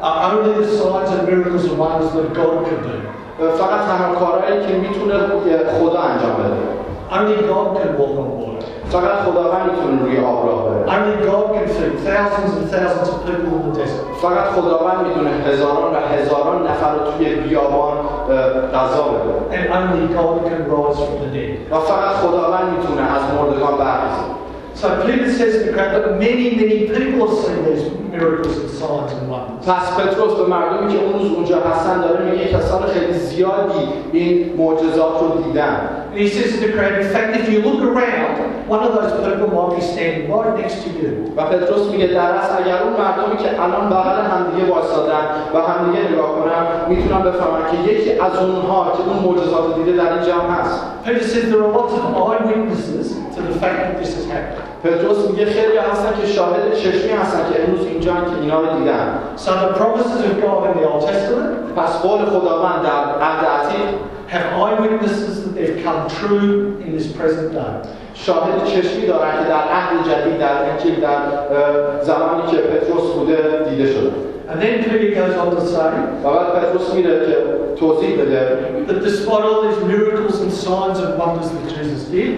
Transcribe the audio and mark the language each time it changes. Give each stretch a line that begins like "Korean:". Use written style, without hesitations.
English: only the signs and miracles and wonders that God can do.
Persian: فقط تنها کارهایی که میتونه خدا انجام بده.
English: Only God can walk on water.
Persian: فقط خداوند میتونه روی آب راه بره.
English: Only God can feed thousands and thousands of people in the desert.
Persian: فقط خداوند میتونه هزاران و هزاران نفر رو توی بیابان غذا بده.
English: And only God can rise from the dead.
Persian: و فقط خداوند میتونه از مردگان برخیزه.
English: So Peter says to the crowd, many people have seen these miracles and signs and wonders.
Persian: پس پتروس به مردمی که اون روز اونجا هستن داره میگه کسان خیلی زیادی این معجزات رو دیدن.
English: And he says to the crowd, in fact, if you look around, one of those people might be standing right next to you.
Persian: و پتروس میگه در اصل اگر اون مردمی که الان بغل همدیگه وایسادن و همدیگه نگاه کنن، میتونن بفهمن که یکی از اونها که اون معجزات رو دیده در این جمع هست.
English: Peter says there are lots of eyewitnesses to the fact that this has happened.
Persian: پتروس میگه خیلی هستن که شاهد چشمی هستن که امروز اینجا هستن که اینا رو دیدن.
English: So the promises of God in the Old Testament,
Persian: پس قول خداوند در عهد عتیق،
English: have eyewitnesses that they've come true in this present day.
Persian: شاهد چشمی دارن که در عهد جدید، در انجیل، در زمانی که پتروس بوده دیده شد.
English: And then Peter goes on to say,
Persian: و بعد پتروس میره که توضیح بده،
English: that despite all these miracles and signs and wonders that Jesus did,